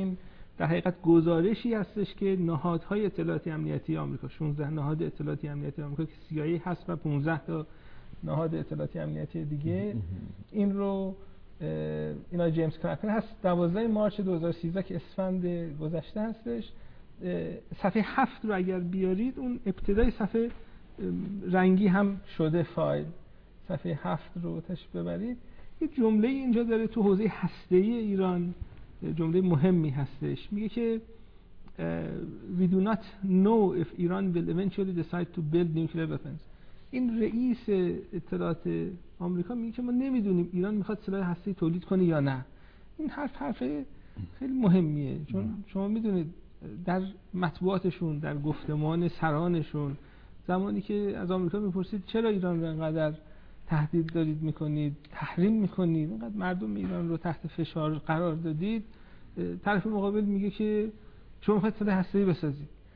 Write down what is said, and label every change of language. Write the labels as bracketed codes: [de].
[fa] این در حقیقت گزارشی هستش که نهادهای اطلاعاتی امنیتی آمریکا، 16 نهاد اطلاعاتی امنیتی آمریکا که CIA هست و 15 تا نهاد اطلاعاتی امنیتی دیگه، این رو اینا جیمز کرافر هست، 12 مارچ 2013 که اسفند گذشته هستش. صفحه 7 رو اگر بیارید، اون ابتدای صفحه رنگی هم شده فایل، صفحه 7 رو تش ببرید، یه جمله اینجا داره تو حوزه هسته‌ای ایران، جمله مهمی هستش. میگه که [en] we do not know if Iran will eventually decide to build nuclear weapons. [fa] این رئیس اطلاعات آمریکا میگه که ما نمیدونیم ایران میخواد سلاح هسته‌ای تولید کنه یا نه. این حرف حرفه خیلی مهمیه، چون شما میدونید در مطبوعاتشون، در گفتمان سرانشون، زمانی که از آمریکا میپرسید چرا ایران رو اینقدر تهدید دارید میکنید، تحریم میکنید، اینقدر مردم ایران رو تحت فشار قرار دادید، طرف مقابل میگه که شما میخواید سلاح هسته‌ای بسازید.